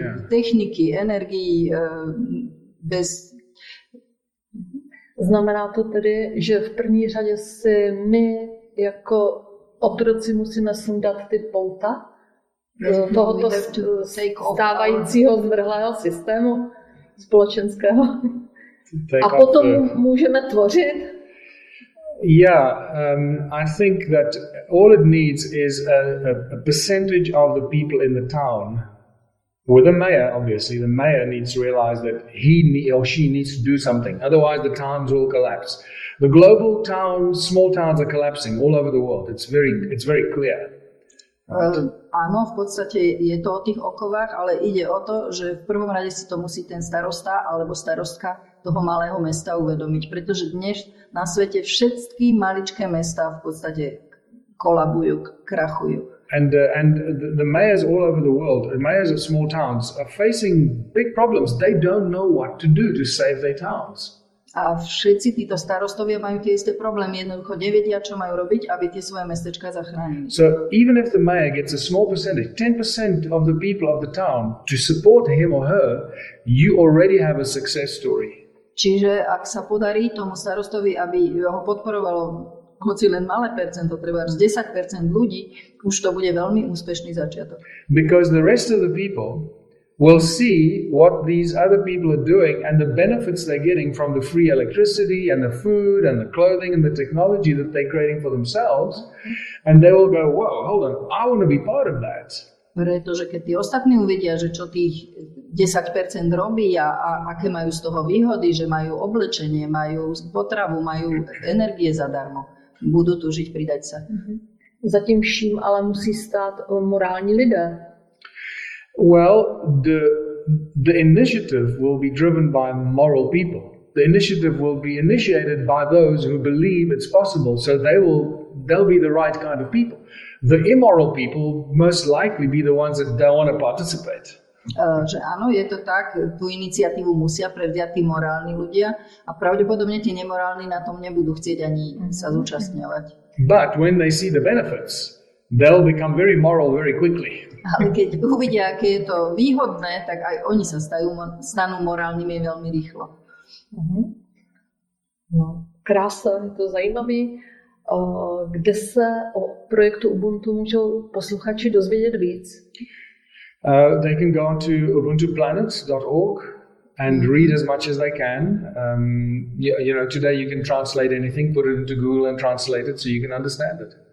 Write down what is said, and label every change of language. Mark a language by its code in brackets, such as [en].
[en] yeah. [cs] Techniky, energii bez... Znamená to tedy, že v první řadě si my jako otroci musíme sundat ty pouta? Tohoto stávajícího zvrhlého systému společenského. A potom můžeme tvořit. [en] Yeah, I think that all it needs is a percentage of the people in the town, with the mayor, obviously. The mayor needs to realize that he or she needs to do something. Otherwise, the towns will collapse. The global towns, small towns are collapsing all over the world. It's very clear. [sk] Áno, v podstate je to o tých okovách, ale ide o to, že v prvom rade si to musí ten starosta alebo starostka toho malého mesta uvedomiť, pretože dnes na svete všetky maličké mesta v podstate kolabujú, krachujú. [en] And the mayors all over the world, the mayors of small towns are facing big problems. They don't know what to do to save their towns. [sk] A všetci títo starostovia majú tie isté problémy, jednoducho nevedia, čo majú robiť, aby tie svoje mestečka zachránili. [en] So even if the mayor gets a small percentage, 10% of the people of the town to support him or her, you already have a success story. [sk] Čiže ak sa podarí tomu starostovi, aby ho podporovalo hoci len malé percento, treba až 10% ľudí, už to bude veľmi úspešný začiatok. [en] Because the rest of the people will see what these other people are doing and the benefits they're getting from the free electricity and the food and the clothing and the technology that they're creating for themselves, and they will go, whoa, hold on, I want to be part of that. [sk] Pretože keď tí ostatní uvidia, že čo tých 10% robí a aké majú z toho výhody, že majú oblečenie, majú potravu, majú energie zadarmo, budú tu žiť, pridať sa. [cs] Za tým vším ale musí stáť morálni lidé. [en] Well, the initiative will be driven by moral people. The initiative will be initiated by those who believe it's possible, so they'll be the right kind of people. The immoral people most likely be the ones that don't want to participate. [sk] Že áno, je to tak, tú iniciatívu musia prevziať tí morálni ľudia a pravdepodobne tie nemorálni na tom nebudú chcieť ani sa zúčastňovať. [en] But when they see the benefits, they'll become very moral very quickly. [sk] Ale keď uvidia, aké je to výhodné, tak aj oni sa stanú morálnymi veľmi rýchlo. [cs] Uh-huh. No, krása, je to zajímavé. Kde sa o projektu Ubuntu môžu posluchači dozvedieť víc? [en] They can go on to ubuntuplanets.org. and read as much as I can. You know, today you can translate anything, put it into Google and translate it so you can understand it.